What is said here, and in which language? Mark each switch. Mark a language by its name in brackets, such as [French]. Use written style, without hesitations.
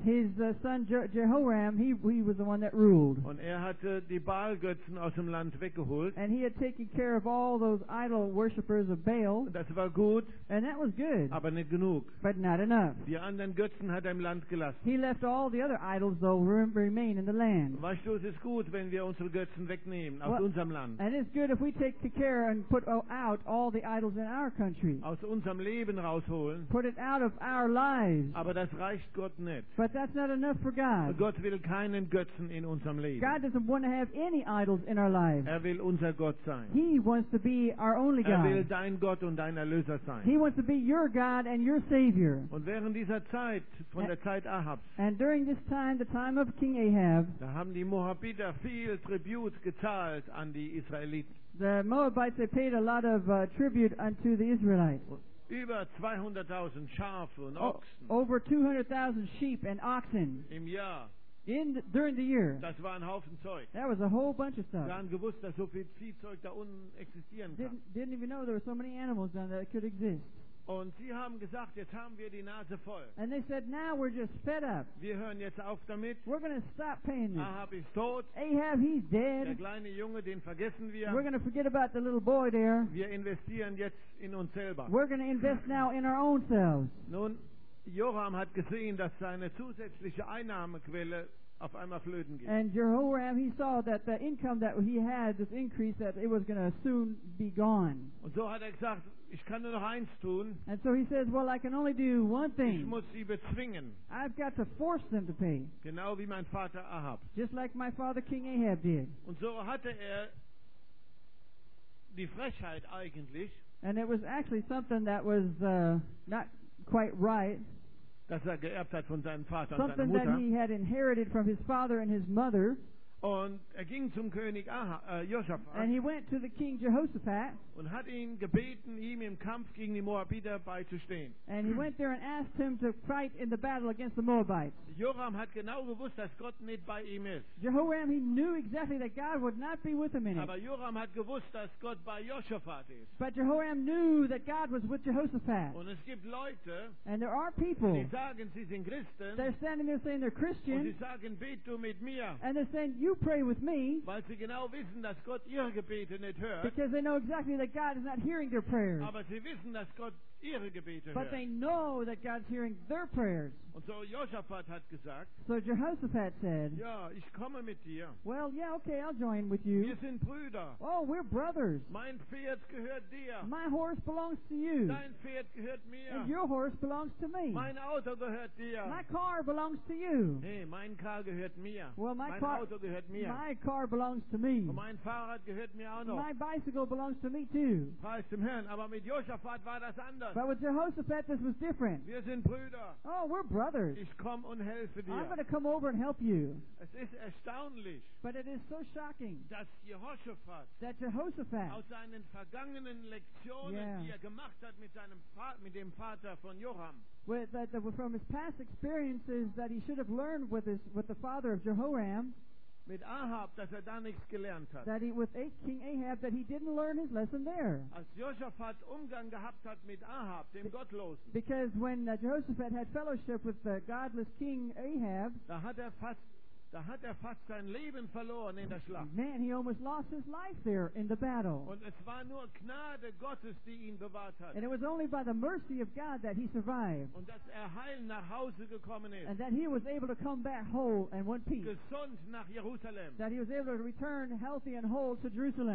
[English] His son Jehoram, he was the one that ruled. [German] Und er hatte die Baalgötzen aus dem Land weggeholt. [English] And he had taken care of all those idol worshippers of Baal. [German] Das war gut. [English] And that was good. [German] Aber nicht genug. [English] But not enough. [German] Die anderen Götzen hat er im Land gelassen. [English] He left all the other idols though remain in the land. [German] Weißt du, es ist gut, wenn wir unsere Götzen wegnehmen aus unserem Land. [English] And it's good if we take care and put out all the idols in our country. [German] Aus unserem Leben rausholen. [English] Put it out of our lives. [German] Aber das reicht Gott nicht. [English] But that's not enough for God. [German] Gott will keinen Götzen in unserem Leben. [English] God doesn't want to have any idols in our lives. [German] Er will unser Gott sein. [English] He wants to be our only God. [German] Er will dein Gott und dein Erlöser sein. [English] He wants to be your God and your Savior. [German] Und während dieser Zeit, von der Zeit Ahabs, [English] and during this time, the time of King Ahab, [German] da haben die Moabiter viel Tribut gezahlt an die Israeliten. [English] The Moabites, they paid a lot of tribute unto the Israelites. [German] Über 200,000 Schafe und Ochsen. [English] Over 200,000 sheep and oxen. [German] Im Jahr. [English] During the year. [German] Das war ein Haufen Zeug. [English] That was a whole bunch of stuff. [German] Sie haben gewusst, dass so viel Viehzeug da unten existieren kann. [English] Didn't even know there were so many animals down there that could exist. [German] Und sie haben gesagt, jetzt haben wir die Nase voll. [English] And they said, now we're just fed up. [German] Wir hören jetzt auf damit. [English] We're going to stop paying this. [German] Ahab ist tot. [English] Ahab, he's dead. [German] Der kleine Junge, den vergessen wir. [English] We're going to forget about the little boy there. [German] Wir investieren jetzt in uns selber. [English] We're going to invest now in our own selves. [German] Nun, Joram hat gesehen, dass seine zusätzliche Einnahmequelle auf einmal flöten geht. [English] And Jehoram, he saw that the income that he had, this increase, that it was going to soon be gone. [German] Und so hat gesagt, ich kann nur noch eins tun. [English] And so he says, well, I can only do one thing. [German] Ich muss sie bezwingen. [English] I've got to force them to pay. [German] Genau wie mein Vater Ahab. [English] Just like my father King Ahab did. [German] Und so hatte er die Frechheit eigentlich. [English] And it was actually something that was not quite right. [German] Das er geerbt hat von seinem Vater [English] something [German] und seiner Mutter. [English] That he had inherited from his father and his mother. [German] Und er ging zum König Josaphat. [English] And he went to the king Jehoshaphat. [German] Und hat ihn gebeten, ihm im Kampf gegen die Moabiter beizustehen. [English] And he went there and asked him to fight in the battle against the Moabites. [German] Joram hat genau gewusst, dass Gott nicht bei ihm ist. [English] Jehoram, he knew exactly that God would not be with him in it. [German] Aber Joram hat gewusst, dass Gott bei Josaphat ist. [English] But Jehoram knew that God was with Jehoshaphat. [German] Und es gibt Leute, [English] and there are people, [German] die sagen, sie sind Christen. [English] They're standing there saying they're Christian. [German] Und sie sagen, bete du mit mir. [English] And they're saying, you pray with me. [German] Weil sie genau wissen, dass Gott ihre Gebete nicht hört. [English] Because they know exactly that God is not hearing their prayers. [German] Aber sie wissen, dass Gott ihre Gebete hört. [English] But they know that God's hearing their prayers. [German] Und so Josaphat hat gesagt, [English] so Jehoshaphat said, [German] ja, ich komme mit dir. [English] Well, yeah, okay, I'll join with you. [German] Wir sind Brüder. [English] Oh, we're brothers. [German] Mein Pferd gehört dir. [English] My horse belongs to you. [German] Dein Pferd gehört mir. [English] And your horse belongs to me. [German] Mein Auto gehört dir. [English] My car belongs to you. [German] Hey, mein Car gehört mir. [English] Well, [German] mein Auto gehört gehört mir. [English] My car belongs to me. [German] Und mein Fahrrad gehört mir auch noch. [English] My bicycle belongs to me too. [German] Preis dem Herrn. Aber mit Josaphat war das anders. [English] But with Jehoshaphat this was different. [German] Wir sind Brüder. [English] Oh, we're brothers. [German] Ich komm und helfe dir. [English] I'm going to come over and help you. [German] Es ist erstaunlich. [English] But it is so shocking. [German] Dass Jehoshaphat. [English] That Jehoshaphat. [German] Aus seinen vergangenen Lektionen, yeah. die gemacht hat mit seinem mit dem Vater von Joram. [English] With that, from his past experiences that he should have learned with the father of Jehoram. [German] Mit Ahab, dass da nichts gelernt hat. [English] That he with King Ahab that he didn't learn his lesson there. [German] Als Josaphat Umgang gehabt hat mit Ahab, dem Gottlosen. [English] Because when Jehoshaphat had fellowship with the godless King Ahab, [German] da hat er fast sein Leben verloren in der Schlacht. [English] Man, he almost lost his life there in the battle. [German] Und es war nur Gnade Gottes, die ihn bewahrt hat. [English] And it was only by the mercy of God that he survived. [German] Und dass er heil nach Hause gekommen ist. [English] And that he was able to come back whole and one piece. [German] Gesund nach Jerusalem. [English] That he was able to return healthy and whole to Jerusalem.